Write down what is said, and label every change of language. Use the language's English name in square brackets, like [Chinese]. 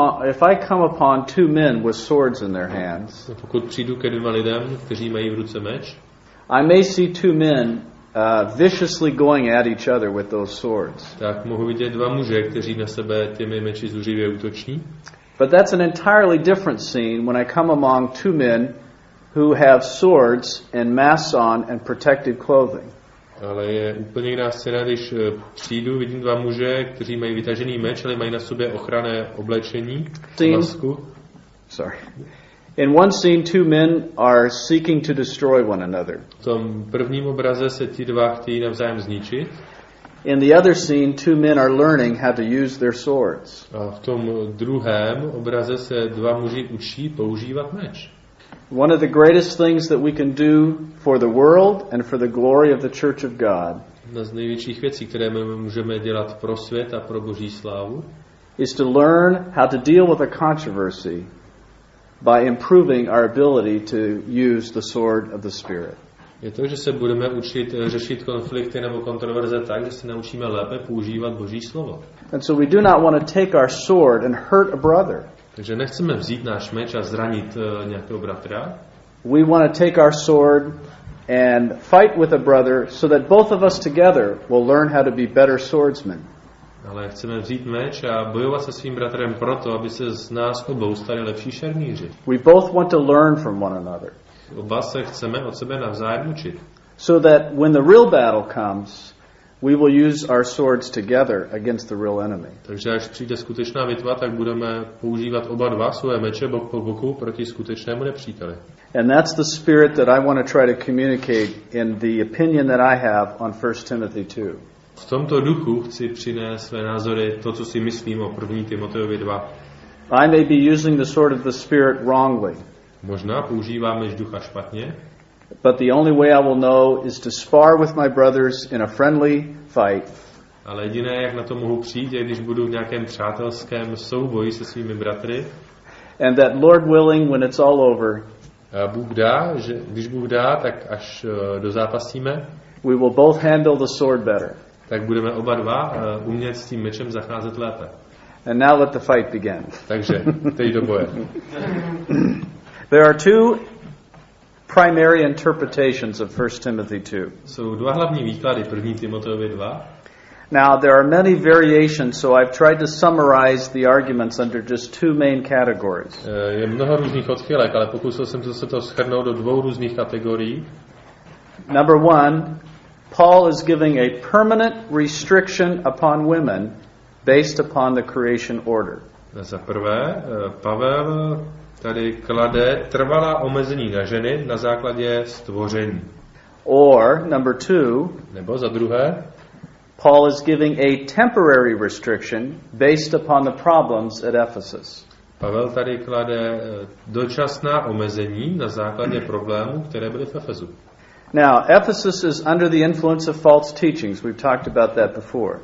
[English] If I come upon two men with swords in their hands, [Czech] pokud přijdu ke dvěma lidem, kteří mají v ruce meč, [English] I may see two men viciously going at each other with those swords. [Czech] Tak mohu vidět dva muže, kteří na sebe těmi meči zuřivě útoční. [English] But that's an entirely different scene when I come among two men who have swords and masks on and protective clothing. [Czech] Ale je úplně jiná scéna, když přijdu, vidím dva muže, kteří mají vytažený meč, ale mají na sobě ochranné oblečení, masku. [English] Sorry. In one scene two men are seeking to destroy one another. [Czech] V tom prvním obraze se ti dva chtějí navzájem zničit. [English] In the other scene two men are learning how to use their swords. [Czech] A v tom druhém obraze se dva muži učí používat meč. [English] One of the greatest things that we can do for the world and for the glory of the Church of God. [Czech] Jedna z největších věcí, které my můžeme dělat pro svět a pro Boží slávu, [English] is to learn how to deal with a controversy by improving our ability to use the sword of the Spirit. [Czech] Je to, že se budeme učit řešit konflikty nebo kontroverze tak, že se naučíme lépe používat Boží slovo. [English] And so we do not want to take our sword and hurt a brother. [Czech] Takže nechceme vzít náš meč a zranit nějakého bratra. [English] We want to take our sword and fight with a brother so that both of us together will learn how to be better swordsmen. [Czech] Ale chceme vzít meč a bojovat se svým bratrem proto, aby se z nás obou stali lepší šermíři. [English] We both want to learn from one another. [Czech] Oba se chceme od sebe navzájem učit. [English] So that when the real battle comes, we will use our swords together against the real enemy. [Czech] Takže až přijde skutečná bitva, tak budeme používat oba dva svoje meče bok po boku proti skutečnému nepříteli. [English] And that's the spirit that I want to try to communicate in the opinion that I have on 1 Timothy 2. [Czech] V tomto duchu chci přinést své názory, to, co si myslím o 1. Timoteovi 2. [English] I may be using the sword of the Spirit wrongly. [Czech] Možná používám meč ducha špatně. [English] But the only way I will know is to spar with my brothers in a friendly fight. [Czech] Ale jediné, jak na to mohu přijít, je, když budu v nějakém přátelském souboji se svými bratry. [English] And that Lord willing, when it's all over, [Czech] Bůh dá, že když Bůh dá, tak až dozápasíme, [English] we will both handle the sword better. [Czech] Tak budeme oba dva umět s tím mečem zacházet lépe. [English] And now let the fight begin. [Czech] Takže, teď do boje. [English] There are two primary interpretations of 1 Timothy 2. [Czech] Jsou dva hlavní výklady 1. Timoteovi 2. [English] Now there are many variations, so I've tried to summarize the arguments under just two main categories. [Czech] Je mnoho různých odchylek, ale pokusil jsem se to shrnout do dvou různých kategorií. [English] Number one, Paul is giving a permanent restriction upon women based upon the creation order. [Czech] Za prvé, Pavel tady klade trvalá omezení na ženy na základě stvoření. [English] Or number two, [Czech] nebo za druhé, [English] Paul is giving a temporary restriction based upon the problems at Ephesus. [Czech] Pavel tady klade dočasná omezení na základě problémů, které byly v Efezu. [English] Now, Ephesus is under the influence of false teachings. We've talked about that before.